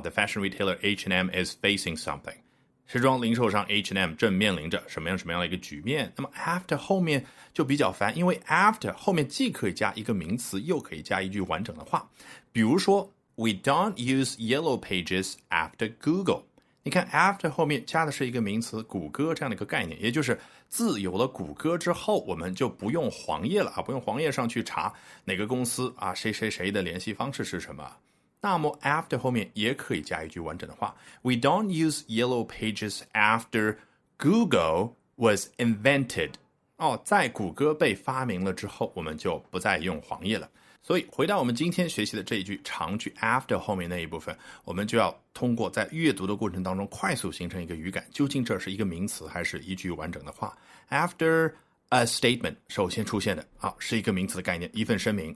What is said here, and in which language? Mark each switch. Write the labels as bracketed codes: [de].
[en] The fashion retailer H&M is facing something. [zh] 时装零售商 H&M 正面临着什么样什么样的一个局面，那么 after 后面就比较烦，因为 after 后面既可以加一个名词，又可以加一句完整的话。比如说 [en] We don't use yellow pages after Google， [zh] 你看 after 后面加的是一个名词谷歌这样的一个概念，也就是自有了谷歌之后，我们就不用黄页了，不用黄页上去查哪个公司啊，谁谁谁的联系方式是什么。那么 after 后面也可以加一句完整的话。 [en] We don't use yellow pages after Google was invented. [zh] 哦，在谷歌被发明了之后，我们就不再用黄页了。所以回到我们今天学习的这一句长句 after 后面那一部分，我们就要通过在阅读的过程当中快速形成一个语感，究竟这是一个名词还是一句完整的话。 [en] After a statement [zh] 首先出现的啊，是一个名词的概念，一份声明。